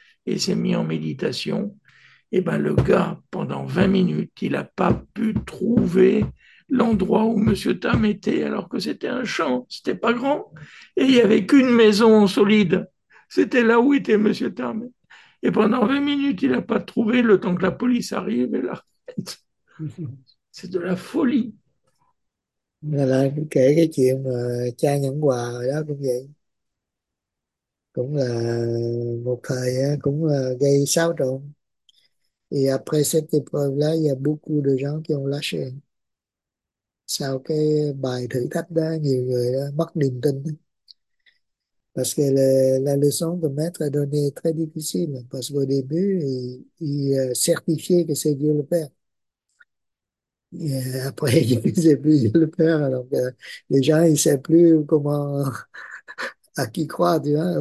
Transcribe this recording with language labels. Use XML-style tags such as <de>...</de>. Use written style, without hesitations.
<fr>Et s'est mis en méditation. Et bien, le gars, pendant 20 minutes, il n'a pas pu trouver l'endroit où M. Tam était, alors que c'était un champ, ce n'était pas grand. Et il n'y avait qu'une maison solide. C'était là où était M. Tam. Et pendant 20 minutes, il n'a pas trouvé le temps que la police arrive et la remette. C'est de la folie.</fr> <vi>Là kể cái chuyện mà cha nhận quà rồi đó cũng vậy, cũng là một thời á, cũng là gây xáo trộn.</vi> <fr>Et après cette épreuve là, il y a beaucoup de gens qui ont lâché.</fr> <vi>Sau cái bài thử thách đó, nhiều người đó mất niềm tin.</vi> <fr>Parce que la leçon de maître a donné est très difficile, parce qu'au début, il certifiait que c'est Dieu le Père. Et après, il ne sait plus le faire. Alors que les gens, ils ne savent plus comment, à qui croire, tu vois.</fr>